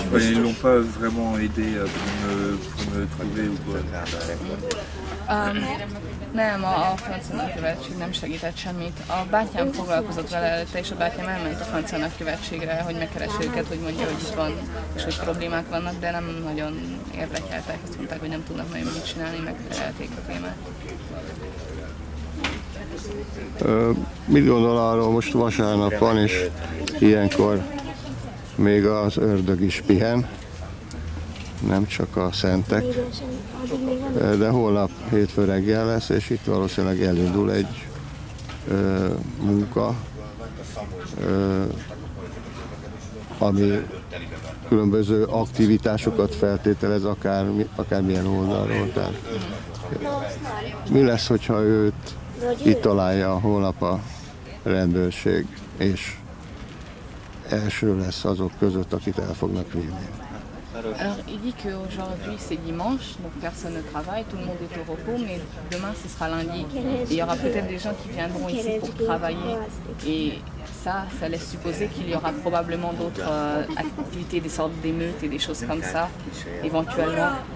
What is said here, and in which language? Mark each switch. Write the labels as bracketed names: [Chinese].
[French] Ils l'ont pas vraiment aidé pour me trouver ou quoi. [Hungarian] Nem, a francia nagykövetség nem segített semmit. A bátyám foglalkozott vele előtte, és a bátyám elment a francia nagykövetségre, hogy megkeresse őket, hogy mondja, hogy itt van, és hogy problémák vannak, de nem nagyon érdekelték. Azt mondták, hogy nem tudnak nagyon mit csinálni, megfelelték a témát. Mit gondol arról, most vasárnap van, és ilyenkor még az ördög is pihen? Nem csak a szentek, de holnap hétfő reggel lesz, és itt valószínűleg elindul egy munka, ami különböző aktivitásokat feltételez, akármilyen oldalról. Tehát, mi lesz, hogyha őt itt találja holnap a rendőrség, és első lesz azok között, akit el fognak vinni? [French] Alors, il dit qu'aujourd'hui c'est dimanche, donc personne ne travaille, tout le monde est au repos, mais demain ce sera lundi. Il y aura peut-être des gens qui viendront ici pour travailler. Et ça laisse supposer qu'il y aura probablement d'autres activités, des sortes d'émeutes et des choses comme ça, éventuellement.